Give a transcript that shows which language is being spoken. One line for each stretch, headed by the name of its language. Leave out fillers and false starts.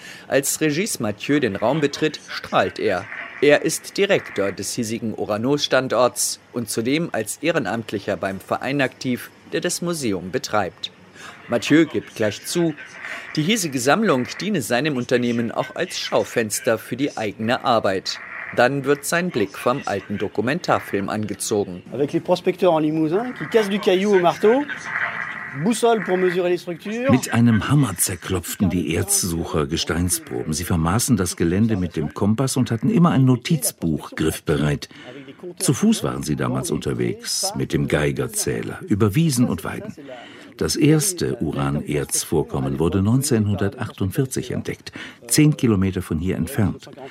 German: Als Regis Mathieu den Raum betritt, strahlt er. Er ist Direktor des hiesigen Uranos-Standorts und zudem als Ehrenamtlicher beim Verein aktiv, der das Museum betreibt. Mathieu gibt gleich zu, die hiesige Sammlung diene seinem Unternehmen auch als Schaufenster für die eigene Arbeit. Dann wird sein Blick vom alten Dokumentarfilm angezogen.
French: Avec les prospecteurs en Limousin qui cassent du caillou au marteau.
German: Mit einem Hammer zerklopften die Erzsucher Gesteinsproben. Sie vermaßen das Gelände mit dem Kompass und hatten immer ein Notizbuch griffbereit. Zu Fuß waren sie damals unterwegs, mit dem Geigerzähler, über Wiesen und Weiden. Das erste Uranerzvorkommen wurde 1948 entdeckt, 10 Kilometer von hier entfernt.